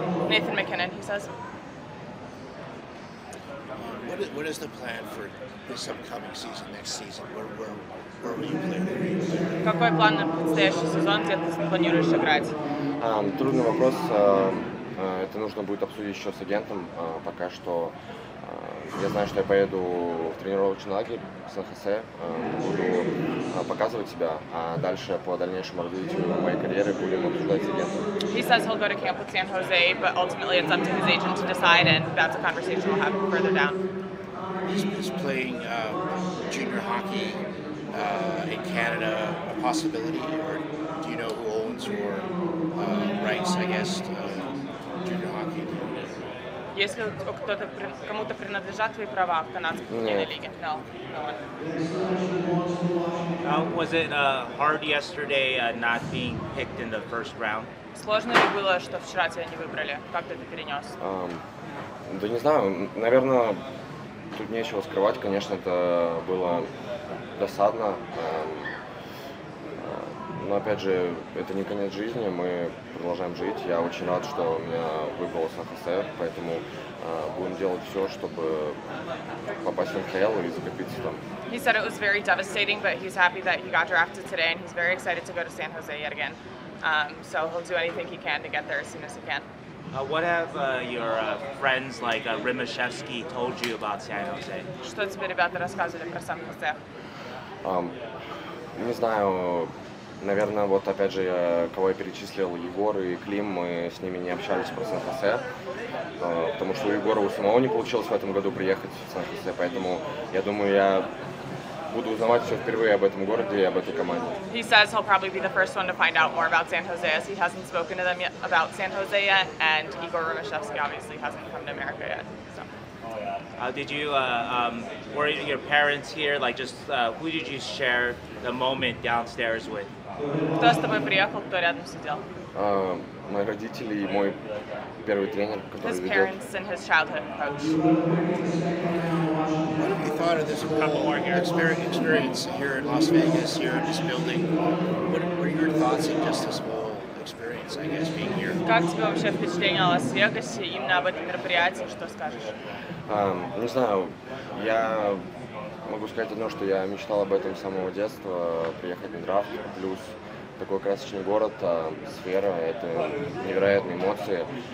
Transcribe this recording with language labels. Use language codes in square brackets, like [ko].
[en] Nathan MacKinnon, he says. What is the plan for this upcoming season, next season? Where will you play? [ru] Какой план на предстоящий сезон, где ты планируешь играть? Трудный вопрос. Это нужно будет обсудить еще с агентом. Пока что я знаю, что я поеду в тренировочный лагерь в Сан-Хосе, буду показывать себя, а дальше по дальнейшему развитию моей карьеры будем обсуждать с агентом. [en] He says he'll go to camp with San Jose, but ultimately it's up to his agent to decide, and that's a conversation we'll have further down. Is playing junior hockey in Canada a possibility, or do you know who owns or rights, I guess, to junior hockey? [ru] Если кто-то кому-то принадлежат твои права в канадской хоккейной лиге? [en] No. Was it hard yesterday not being picked in the first round? [ru] Сложно ли было, что вчера тебя не выбрали? Как ты это перенес? Да не знаю, наверное, тут нечего скрывать. Конечно, это было досадно. Но опять же, это не конец жизни, мы продолжаем жить. Я очень рад, что у меня выпало Сан-Хосе, поэтому будем делать все, чтобы попасть в НХЛ и закрепиться там. [en] He said it was very devastating, but he's happy that he got drafted today, and he's very excited to go to San Jose yet again. So he'll do anything he can to get there as soon as he can. What have your friends like Rimashevsky told you about San Jose? [ru] Что тебе ребята рассказывали про Сан-Хосе? Не знаю. Наверное, вот опять же, кого я перечислил, Егор и Клим, мы с ними не общались про Сан-Хосе, потому что у Егора у самого не получилось в этом году приехать в Сан-Хосе, поэтому я думаю, я буду узнавать все впервые об этом городе и об этой команде. [en] He says he'll probably be the first one to find out more about San Jose, as he hasn't spoken to them yet about San Jose yet, and Igor Rimashevsky obviously hasn't come to America yet. Did you, were your parents here, like just, who did you share the moment downstairs with? [ru] Кто с тобой приехал, кто рядом сидел? Мои родители и мой первый тренер, который ведет. [en] His parents and his childhood coach. What have you thought of this whole experience here in Las Vegas, here in this building? What were your thoughts in just this whole experience, I guess, being here? [ru] Как тебе вообще впечатление о Лас-Вегасе, именно об этом мероприятии, что скажешь? Не знаю, я могу сказать одно, что я мечтал об этом с самого детства, приехать на драфт, плюс такой красочный город, сфера, это невероятные эмоции.